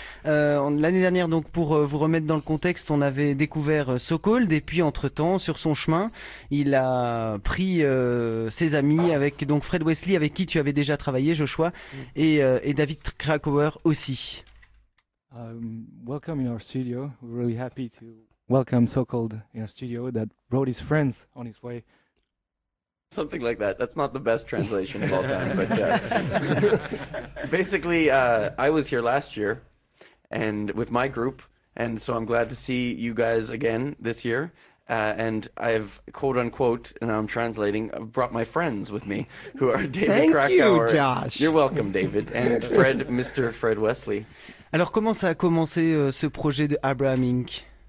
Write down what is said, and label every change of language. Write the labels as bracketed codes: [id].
[fr] L'année dernière, donc pour vous remettre dans le contexte, on avait découvert So Cold et puis entre-temps, sur son chemin, il a pris ses amis avec donc Fred Wesley, avec qui tu avais déjà travaillé, Joshua, et David Krakauer aussi. [en] Welcome in our studio. We're really happy to welcome So Cold in our studio that brought his friends on his way. Something like that. That's not the best translation of all time, but basically, I was here last year and with my group, and so I'm glad to see you guys again this year. And I've quote unquote, and I'm translating, I've brought my friends with me, who are David Thank you, Krakauer. You're Josh. welcome, David, and Fred, Mr. Fred Wesley. [fr] Alors, comment ça a commencé ce projet de Abraham Inc?